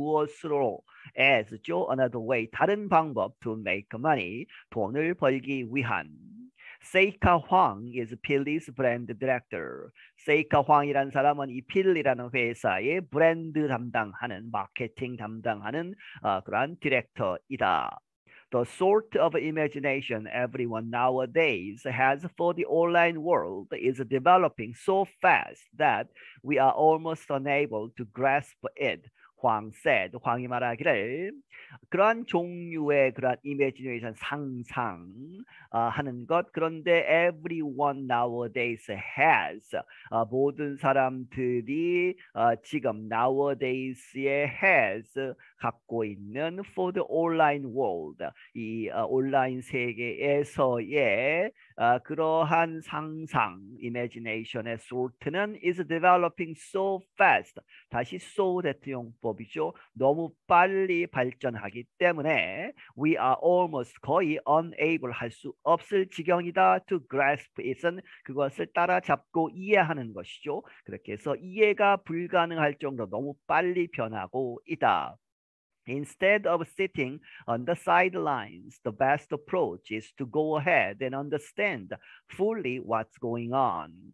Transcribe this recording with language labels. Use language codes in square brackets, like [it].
[ko] 무엇으로? as죠. [en] another way [ko] 다른 방법 [en] to make money [ko] 돈을 벌기 위한. [en] Seika Huang is Pili's brand director. [ko] 세이카 황이란 사람은 이 필리라는 회사의 브랜드 담당하는 마케팅 담당하는 그러한 디렉터이다. [en] The sort of imagination everyone nowadays has for the online world is developing so fast that we are almost unable to grasp it. [ko] 황 said, 황이 말하기를 그러한 종류의 그러한 이미지네이션 상상 하는 것 그런데 [en] everyone nowadays has [ko] 모든 사람들이 지금 nowadays에 has 갖고 있는 [en] for the online world, [ko] 이 온라인 세계에서의 그러한 상상, imagination의 sort는 [en] is developing so fast. [ko] 다시 so that 용법이죠. 너무 빨리 발전하기 때문에 [en] we are almost [ko] 거의 unable 할수 없을 지경이다 [en] to grasp it [ko] 은 그것을 따라잡고 이해하는 것이죠. 그렇게 해서 이해가 불가능할 정도 너무 빨리 변하고 있다. [en] Instead of sitting on the sidelines, the best approach is to go ahead and understand fully what's going on.